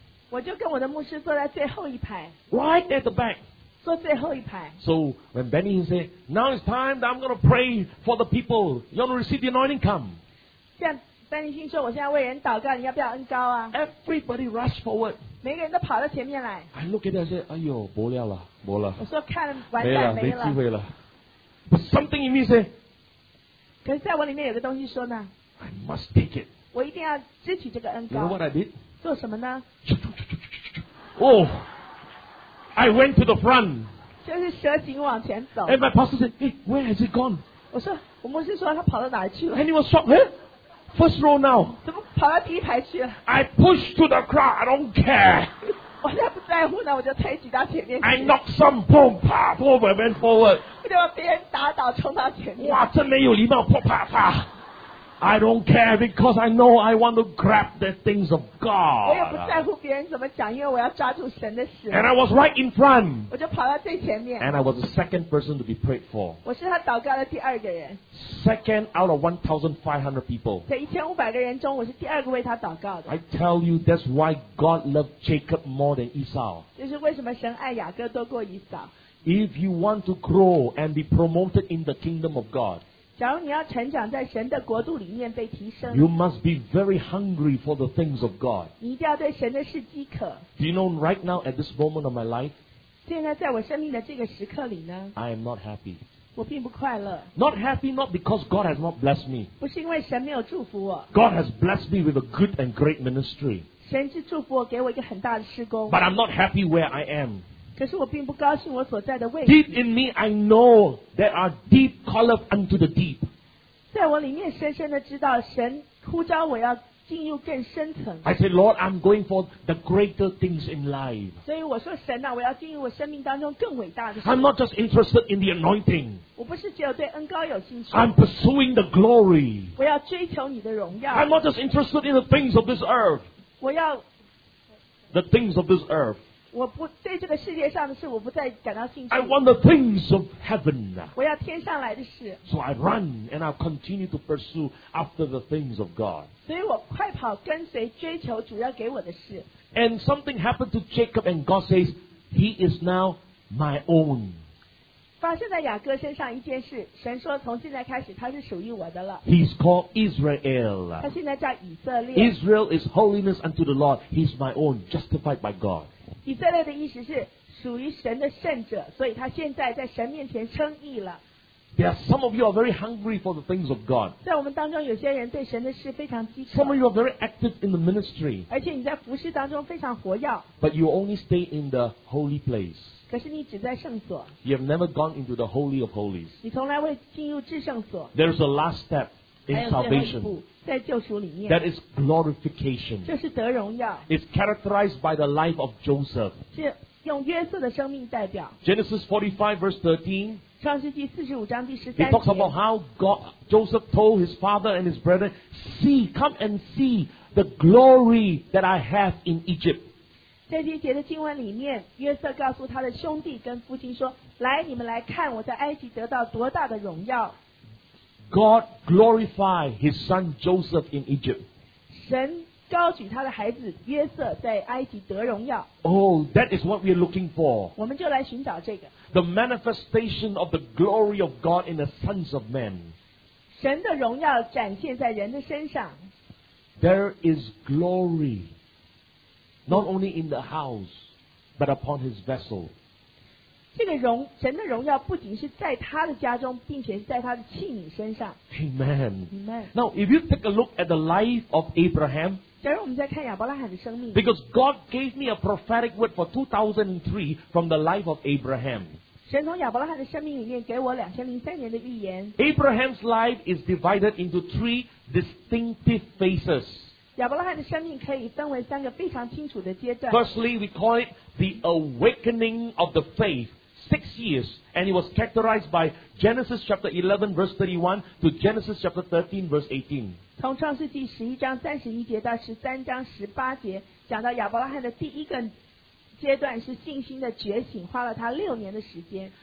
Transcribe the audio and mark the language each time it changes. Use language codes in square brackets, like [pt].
[zh] 我就跟我的牧师坐在最后一排。 [en] Right at the back. [zh] 坐最后一排。 [en] So when Benny said, "Now it's time that I'm going to pray for the people. You want to receive the anointing? Come." [zh] 像 Benny 先说，我现在为人祷告，你要不要恩膏啊 [en] ？Everybody rushed forward. [zh] 每个人都跑到前面来。 [en] I look at them and say, "Ayo, [zh] 不了了，不了。我说看完蛋没了。没机 [en] 会了。But something in me say. [zh] 可是在我里面有个东西说呢。 [en] I must take it. [zh] 我一定要支取这个恩膏。 [en] You know what I did? [zh] 做什么呢 [en] ？Oh. I went to the front. [zh] 就是蛇形往前走。 [en] And my pastor said, "Hey, where has it gone?" [zh] 我说，我牧师说他跑到哪去了。 [en] And he was shocked. Hey, first row now. [zh] 怎么跑到第一排去了 [en] ？I pushed to the crowd. I don't care. [zh] 我现在不在乎呢，我就推挤到前面去。 [en] I knocked some, boom, pa, boom, and went forward. [zh] 就把别人打倒，冲到前面。哇，真没有礼貌，啪啪啪。 [en] I don't care because I know I want to grab the things of God. [zh] 我也不在乎别人怎么讲，因为我要抓住神的事。 [en] And I was right in front. [zh] 我就跑到最前面。 [en] And I was the second person to be prayed for. [zh] 我是他祷告的第二个人。 [en] Second out of 1,500 people. [zh] 在1500个人中，我是第二个为他祷告的。 [en] I tell you, that's why God loved Jacob more than Esau. [zh] 这是为什么神爱雅各多过以扫。 [en] If you want to grow and be promoted in the kingdom of God. [zh] 假如你要成长在神的国度里面被提升 [en] You must be very hungry for the things of God. [zh] 你一定要对神的事饥渴 [en] Do you know right now at this moment of my life? [zh] 现在在我生命的这个时刻里呢 [en] I am not happy. [zh] 我并不快乐 [en] Not happy not because God has not blessed me. [zh] 不是因为神没有祝福我 [en] God has blessed me with a good and great ministry. [zh] 神是祝福我给我一个很大的事工 [en] But I'm not happy where I am. [zh] 可是我并不高兴我所在的位置。 [en] Deep in me, I know there are deep calls unto the deep. [zh] 在我里面深深的知道，神呼召我要进入更深层。 [en] I say, Lord, I'm going for the greater things in life. [zh] 所以我说，神啊，我要进入我生命当中更伟大的事。 [en] I'm not just interested in the anointing. [zh] 我不是只有对恩膏有兴趣。 [en] I'm pursuing the glory. [zh] 我要追求你的荣耀。 [en] I'm not just interested in the things of this earth. [zh] 我要 [en] the things of this earth. [zh] 我不对这个世界上的事，我不再感到兴趣。 [en] I want the things of heaven. [zh] 我要天上来的事。 [en] So I run and I continue to pursue after the things of God. [zh] 所以我快跑，跟随追求主要给我的事。 [en] And something happened to Jacob, and God says, "He is now my own." [zh] 发生在雅各身上一件事，神说从现在开始他是属于我的了。 [en] He's called Israel. [zh] 他现在叫以色列。 [en] Israel is holiness unto the Lord. He's my own, justified by God. [zh] 以色列的意思是属于神的圣者，所以他现在在神面前称义了。 [en] There are some of you are very hungry for the things of God. [zh] 在我们当中，有些人对神的事非常饥渴。 [en] Some of you are very active in the ministry. [zh] 而且你在服事当中非常活跃。 [en] But you only stay in the holy place. [zh] 可是你只在圣所。 [en] You have never gone into the holy of holies. [zh] 你从来未进入至圣所。 [en] There is a last step in salvation. [zh] 在救赎里面 [en] That is glorification. [zh] 这是得荣耀 [en] It's characterized by the life of Joseph. [zh] 是用约瑟的生命代表 [en] Genesis 45 verse 13. [zh] 创世纪四十五章第十三节 [en] It talks about how God, Joseph told his father and his brethren, "See, come and see the glory that I have in Egypt." [zh] 在这节的经文里面，约瑟告诉他的兄弟跟父亲说：“来，你们来看我在埃及得到多大的荣耀。” [en] God glorified his son Joseph in Egypt. [zh] 神高举他的孩子约瑟在埃及得荣耀。 [en] Oh, that is what we are looking for. [zh] 我们就来寻找这个。 [en] The manifestation of the glory of God in the sons of men. [zh] 神的荣耀展现在人的身上。 [en] There is glory, not only in the house, but upon his vessel. [zh] 这个荣神的荣耀不仅是在他的家中，并且是在他的器皿身上。 [en] Amen. Amen. Now, if you take a look at the life of Abraham, [zh] 假如我们再看亚伯拉罕的生命 [en] ，because God gave me a prophetic word for 2003 from the life of Abraham. [zh] 神从亚伯拉罕的生命里面给我2003年的预言。 [en] Abraham's life is divided into three distinctive phases. [zh] 亚伯拉罕的生命可以分为三个非常清楚的阶段。 [en] Firstly, we call it. The awakening of the faith, 6 years, and it was characterized by Genesis chapter 11 verse 31 to Genesis chapter 13 verse 18. [zh] 从创世纪十一章三十一节到十三章十八节，讲到亚伯拉罕的第一个阶段是信心的觉醒，花了他六年的时间。